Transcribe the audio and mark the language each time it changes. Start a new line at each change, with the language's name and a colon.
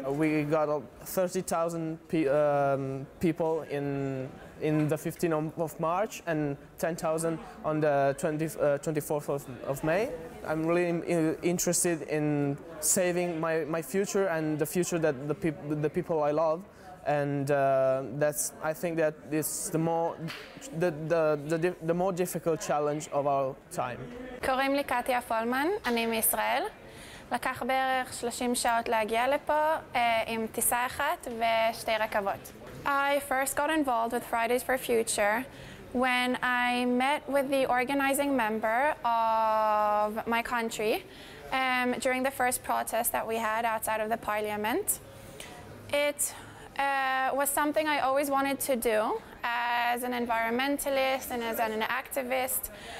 English: We got 30,000 people in the 15th of March and 10,000 on the 24th of May. I'm really interested in saving my future and the future that the people I love. And I think that is the more difficult challenge of our time.
Hebrew: קוראים לי קטיה פולמן, אני מישראל. לקח בערך 30 שעות להגיע לפה עם טיסה אחת ושתי רכבות.
English: I first got involved with Fridays for Future when I met with the organizing member of my country during the first protest that we had outside of the parliament. It was something I always wanted to do as an environmentalist and as an activist.